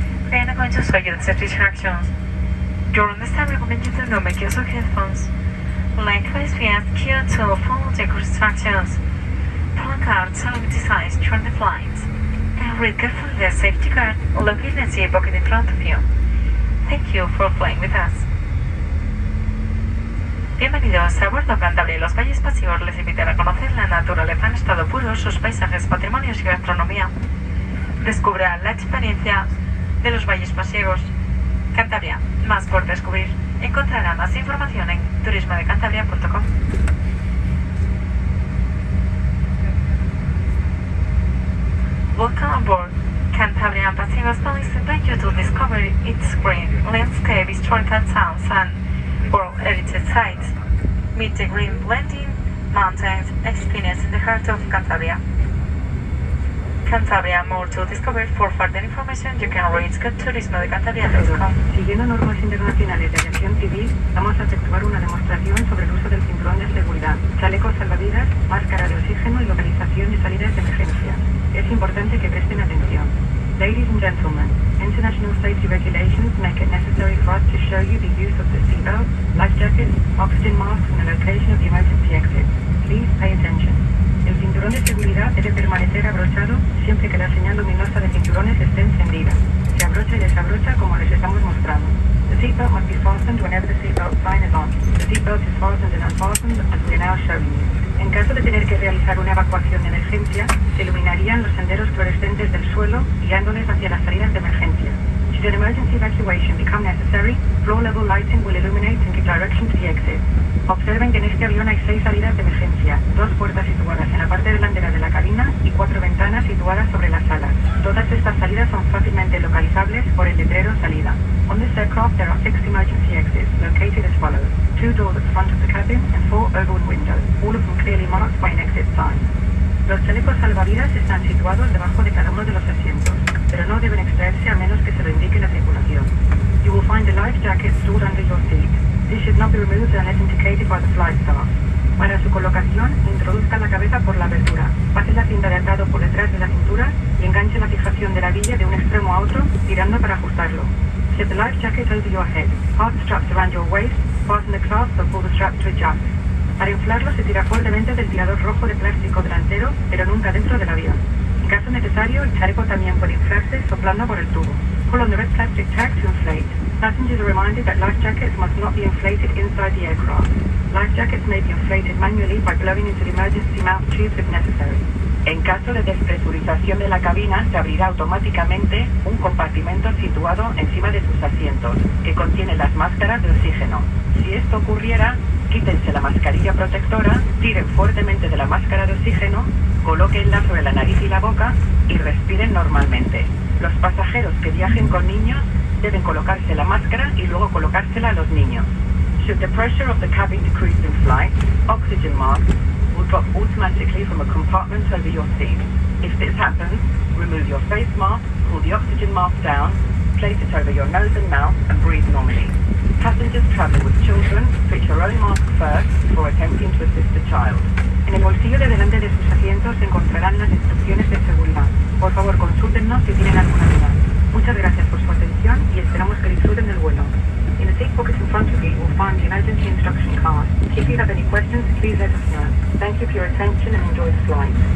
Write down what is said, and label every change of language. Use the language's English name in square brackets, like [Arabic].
[English] We are not going to show you the safety instructions. During this time, we recommend you to not make use of headphones. Likewise, we ask you to follow the crew instructions. Pull cards and limited size during the flight. And read carefully the safety card located in the seat pocket in front of you. Thank you for flying with us. [Spanish] Bienvenidos a bordo Cantabria y los Valles Pasivos. Les invitaré a conocer la naturaleza en estado puro, sus paisajes, patrimonios y gastronomía. Descubra la experiencia de los Valles Pasivos. Cantabria, más por descubrir. Encontrará más información en turismodecantabria.com. [English] Welcome aboard. Cantabria Pasivos Police invite you to discover its green landscape, historical towns, and world heritage sites. Meet the green blending mountains, experience in the heart of Cantabria. Cantabria, more to discover. For further information, you can reach turismodecantabria.com. [Spanish] Siguiendo normas internacionales de aviación civil, vamos a efectuar una demostración sobre el uso del cinturón de seguridad, chalecos salvavidas, máscara de oxígeno y localización de salidas de emergencia. Es importante que presten atención. [English] Ladies and gentlemen, international safety regulations make it necessary for us to show you the use of the seatbelt, life jacket, oxygen mask, and the location of the emergency exit. Please pay attention. [Spanish] El cinturón de seguridad debe permanecer abrochado siempre que la señal luminosa de cinturones esté encendida. Se abrocha y desabrocha como les estamos mostrando. [English] The seatbelt must be fastened whenever the seatbelt sign is on. The seatbelt is fastened and unfastened as we are now showing you. [Spanish] En caso de tener que realizar una evacuación de emergencia, se iluminarían los senderos fluorescentes del suelo, guiándoles hacia las salidas de emergencia. [English] Should an emergency evacuation become necessary, floor level lighting will illuminate in the direction to the exit. [Spanish] Observen que en este avión hay 6 salidas de emergencia, 2 puertas situadas en la parte delantera de la cabina y 4 ventanas situadas sobre las alas. Todas estas salidas son fácilmente localizables por el letrero salida. [English] On this aircraft there are 6 emergency exits, located as follows. 2 doors at the front of the cabin and 4 overhead windows, all of them clearly marked by an exit sign. [Spanish] Los chalecos salvavidas están situados debajo de cada uno de los asientos, pero no deben extraerse a menos que se lo indique la tripulación. [English] You will find a life jacket stored under your seat. This should not be removed unless indicated by the flight staff. [Spanish] Para su colocación, introduzca la cabeza por la abertura, pase la cinta de atado por detrás de la cintura y enganche la fijación de la hebilla de un extremo a otro, tirando para ajustarlo. [English] Set the life jacket over your head. Pass the straps around your waist, fasten the clasp or pull the strap to adjust. [Spanish] Para inflarlo se tira fuertemente del tirador rojo de plástico delantero, pero nunca dentro del avión. En caso necesario, el chaleco también puede inflarse soplando por el tubo. [English] Pull on the red plastic tag to inflate. Passengers are reminded that life jackets must not be inflated inside the aircraft. Life jackets may be inflated manually by blowing into the emergency mouth tubes if necessary. [Spanish] En caso de despresurización de la cabina, se abrirá automáticamente un compartimento situado encima de sus asientos, que contiene las máscaras de oxígeno. Si esto ocurriera, quítense la mascarilla protectora, tiren fuertemente de la máscara de oxígeno, colóquenla sobre la nariz y la boca y respiren normalmente. Los pasajeros que viajen con niños deben colocarse la máscara y luego colocársela a los niños. [English] Should the pressure of the cabin decrease in flight, oxygen mask will drop automatically from a compartment over your seat. If this happens, remove your face mask, pull the oxygen mask down, place it over your nose and mouth, and breathe normally. Passengers traveling with children, fit your own mask first before attempting to assist a child. [Spanish] En el bolsillo de delante de sus asientos se encontrarán las instrucciones de seguridad. Por favor, consúltennos si tienen alguna duda. Muchas gracias por su atención y esperamos que disfruten del vuelo. [English] In the seat pocket in front of you, you will find the emergency instruction card. If you have any questions, please let us know. Thank you for your attention and enjoy the flight.